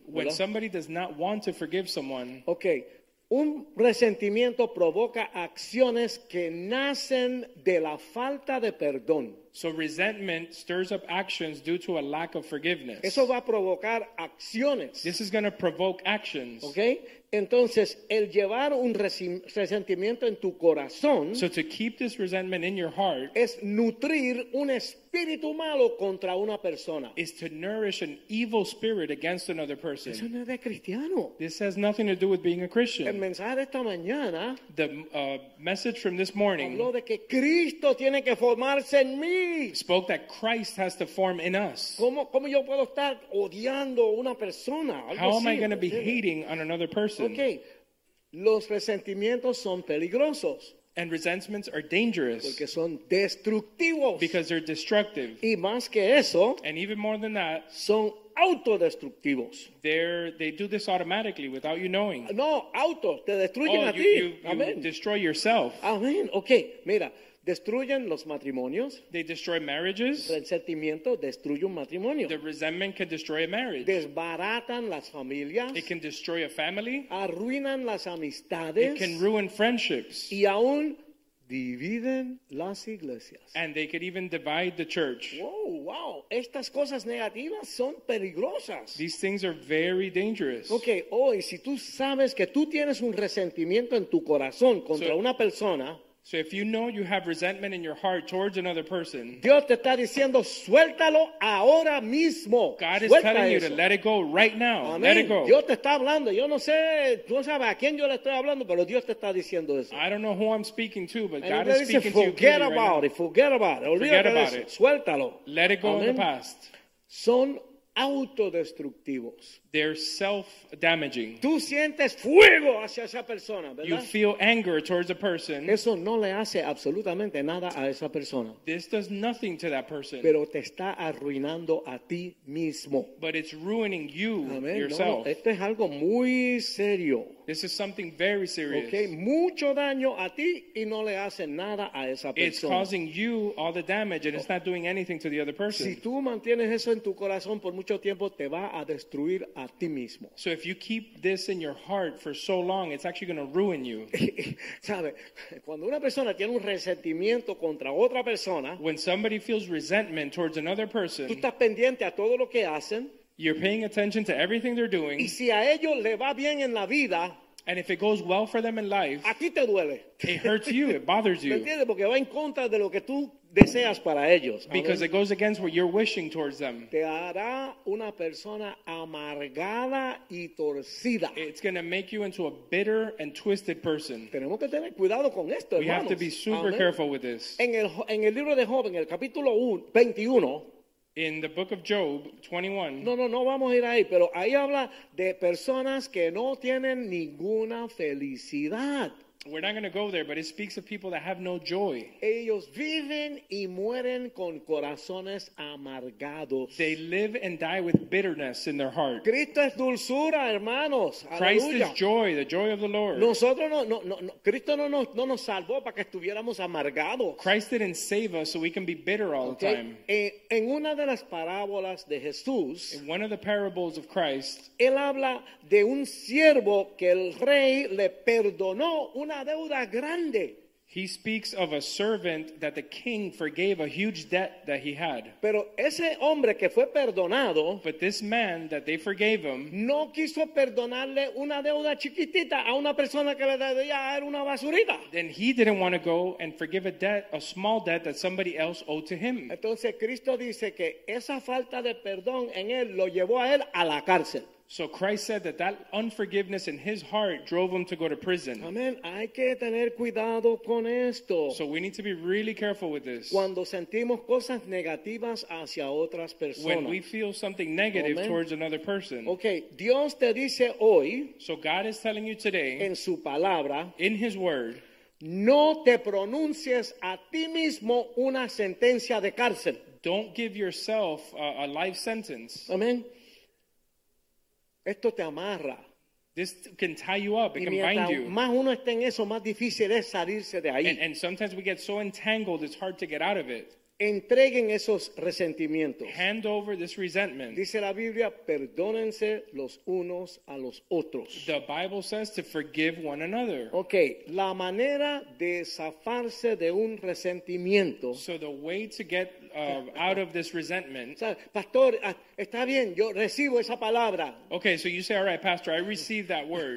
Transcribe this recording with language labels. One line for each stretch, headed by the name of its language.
Spanish: ¿Verdad?
English: When somebody does not want to forgive someone. Okay.
Spanish: Un resentimiento provoca acciones que nacen de la falta de perdón.
English: So resentment stirs up actions due to a lack of forgiveness.
Spanish: Eso va a provocar acciones.
English: This is going to provoke actions. Okay?
Spanish: Entonces, el llevar un resentimiento en tu corazón.
English: So to keep this resentment in your heart.
Spanish: Es nutrir un espíritu malo contra una persona.
English: Is to nourish an evil spirit against another person.
Spanish: Eso no es de cristiano.
English: This has nothing to do with being a Christian.
Spanish: El mensaje de esta mañana.
English: The message from this morning.
Spanish: Habló de que Cristo tiene que formarse en mí.
English: Spoke that Christ has to form in us.
Spanish: ¿Cómo yo puedo estar odiando una persona?
English: How am I going to be hating on another person?
Spanish: Okay. Los resentimientos son peligrosos.
English: And resentments are dangerous.
Spanish: Porque son destructivos.
English: Because they're destructive.
Spanish: Y más que eso,
English: and even more than that,
Spanish: son autodestructivos.
English: They do this automatically without you knowing.
Spanish: No, auto. Te destruyen oh, a
English: you,
Spanish: ti.
English: You Amen. Destroy yourself.
Spanish: Amen. Okay, mira. Destruyen los matrimonios.
English: They destroy marriages.
Spanish: El sentimiento destruye un matrimonio.
English: The resentment can destroy a marriage.
Spanish: Desbaratan las familias.
English: It can destroy a family.
Spanish: Arruinan las amistades.
English: It can ruin friendships.
Spanish: Y aún dividen las iglesias.
English: And they could even divide the church.
Spanish: Wow, wow. Estas cosas negativas son peligrosas.
English: These things are very dangerous.
Spanish: Okay, hoy, si tú sabes que tú tienes un resentimiento en tu corazón contra una persona.
English: So if you know you have resentment in your heart towards another person,
Spanish: Dios te está diciendo, suéltalo ahora mismo.
English: God is
Spanish: Suelta
English: telling
Spanish: eso.
English: You to let it go right now.
Spanish: Amén.
English: Let it go.
Spanish: Dios te está hablando. Yo no sé, tú sabes a quién yo le estoy hablando, pero Dios te está diciendo eso.
English: I don't know who I'm speaking to, but and God is speaking to you. Forget about right it. Forget about it.
Spanish: Olvídate
English: forget about
Spanish: eso.
English: It.
Spanish: Suéltalo.
English: Let it go Amén. In the past.
Spanish: Son autodestructivos.
English: They're self-damaging.
Spanish: Tú sientes fuego hacia esa persona, ¿verdad?
English: You feel anger towards a person.
Spanish: Eso no le hace absolutamente nada a esa persona.
English: This does nothing to that person.
Spanish: Pero te está arruinando a ti mismo.
English: But it's ruining you, Amen. Yourself.
Spanish: No, esto es algo muy serio.
English: This is something very serious.
Spanish: Okay, mucho daño a ti y no le hace nada a esa persona.
English: It's causing you all the damage and it's not doing anything to the other person.
Spanish: Si tú mantienes eso en tu corazón por mucho tiempo, te va a destruir a ti mismo.
English: So if you keep this in your heart for so long, it's actually going to ruin you.
Spanish: ¿Sabe? Cuando una persona tiene un resentimiento contra otra persona,
English: when somebody feels resentment towards another person,
Spanish: tú estás pendiente a todo lo que hacen.
English: You're paying attention to everything they're doing.
Spanish: Y si a ellos le va bien en la vida,
English: And if it goes well for them in life,
Spanish: a ti te duele.
English: It hurts you, it bothers you.
Spanish: ¿Me entiendes? Porque va en contra de lo que tú deseas para ellos.
English: Because it goes against what you're wishing towards them.
Spanish: Te hará una persona amargada y torcida.
English: It's going to make you into a bitter and twisted person.
Spanish: Tenemos que tener cuidado con esto, hermanos.
English: We have to be super careful with this.
Spanish: En el libro de Job, en el capítulo 21,
English: in the book of Job 21.
Spanish: No vamos a ir ahí, pero ahí habla de personas que no tienen ninguna felicidad.
English: We're not going to go there, but it speaks of people that have no joy.
Spanish: Ellos viven y mueren con corazones amargados.
English: They live and die with bitterness in their heart.
Spanish: Cristo es dulzura, hermanos.
English: Christ
Spanish: Aleluya.
English: Is joy, the joy of the Lord.
Spanish: Nosotros no, Cristo no nos salvó para que estuviéramos amargados.
English: Christ didn't save us so we can be bitter all okay. the time.
Spanish: En una de las parábolas de Jesús,
English: in one of the parables of Christ,
Spanish: él habla de un siervo que el rey le perdonó una deuda grande.
English: He speaks of a servant that the king forgave a huge debt that he had.
Spanish: Pero ese hombre que fue perdonado,
English: but this man that they forgave him,
Spanish: no quiso perdonarle una deuda chiquitita a una persona que le debía era una basurita.
English: Then he didn't want to go and forgive a debt, a small debt that somebody else owed to him.
Spanish: Entonces Cristo dice que esa falta de perdón en él lo llevó a él a la cárcel.
English: So Christ said that unforgiveness in his heart drove him to go to prison.
Spanish: Amen. Hay que tener cuidado con esto.
English: So we need to be really careful with this.
Spanish: Cuando sentimos cosas negativas hacia otras personas.
English: When we feel something negative Amen. Towards another person.
Spanish: Okay, Dios te dice hoy.
English: So God is telling you today.
Spanish: En su palabra.
English: In his word.
Spanish: No te pronuncies a ti mismo una sentencia de cárcel.
English: Don't give yourself a life sentence.
Spanish: Amen. Esto te amarra.
English: This can tie you up. It
Spanish: y
English: can bind you.
Spanish: Más uno está en eso, más difícil es salirse de ahí.
English: And sometimes we get so entangled, it's hard to get out of it.
Spanish: Entreguen esos resentimientos.
English: Hand over this resentment.
Spanish: Dice la Biblia, perdónense los unos a los otros.
English: The Bible says to forgive one another.
Spanish: Okay, la manera de zafarse de un resentimiento.
English: So the way to get out of this resentment.
Spanish: Pastor, está bien, yo recibo esa palabra.
English: Okay, so you say, all right, Pastor, I receive that word.